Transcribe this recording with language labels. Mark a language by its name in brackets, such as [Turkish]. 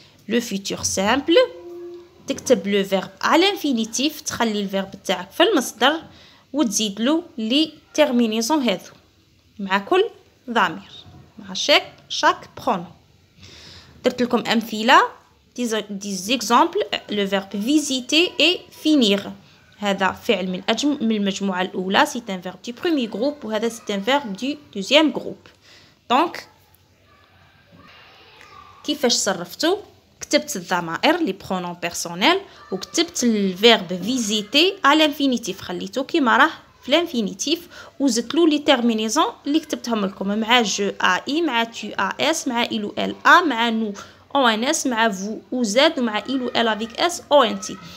[Arabic] Le futur simple, تكتب [French] le verbe à l'infinitif، [Arabic] تخلي الverb تاعك في المصدر وتزيد له لي terminaison هذو مع كل ضمير، مع [French] chaque pronom. [Arabic] درت لكم أمثلة، [French] des exemples. Le verbe visiter et finir، [Arabic] هذا فعل من المجموعة الأولى، [French] c'est un verbe du premier groupe، وهذا c'est un verbe du deuxième groupe. [Arabic] Donc كيفاش صرفتو؟ كتبت الضمائر [French] لي برونون بيرسونيل، [Arabic] وكتبت الفيرب فيزيتي على الانفينيتيف، خليته كيما راه في الانفينيتيف، وزدت له لي تيرمينيزون اللي كتبتهم لكم، مع جو ا اي، مع تو ا اس، مع ايلو ال ا، مع نو او ان اس، مع فو او زد، ومع ايلو ال افيك اس او ان تي.